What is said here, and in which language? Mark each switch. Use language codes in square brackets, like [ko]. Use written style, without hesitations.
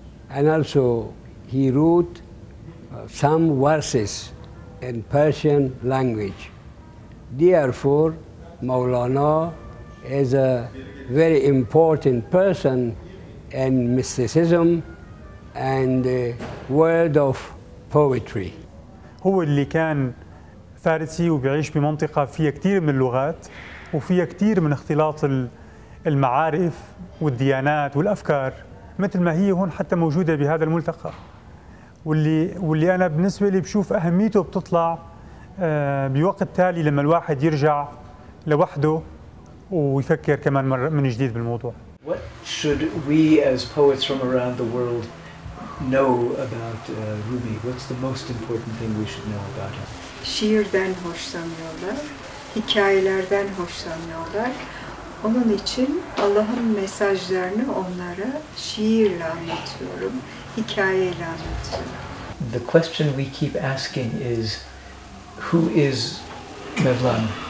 [en] And also he wrote some verses in Persian language. Therefore, Maulana is a very important person in mysticism and the world of poetry. [ar] هو اللي كان فارسي وبيعيش بمنطقة فيها كتير من اللغات وفيها كتير من اختلاط المعارف والديانات والأفكار مثل ما هي هون حتى موجودة بهذا الملتقى واللي أنا بالنسبة لي بشوف أهميته بتطلع بوقت تالي لما الواحد يرجع لوحده ويفكر كمان مرة من جديد بالموضوع. [en] What should we as poets from around the world know about Rumi? What's the most important thing we should know about him? [tr] Şiirden hoşlanıyorlar, hikayelerden hoşlanıyorlar. Onun için Allah'ın mesajlarını onlara şiirle anlatıyorum, hikayeyle anlatıyorum. [en] The question we keep asking is, who is Mevlana?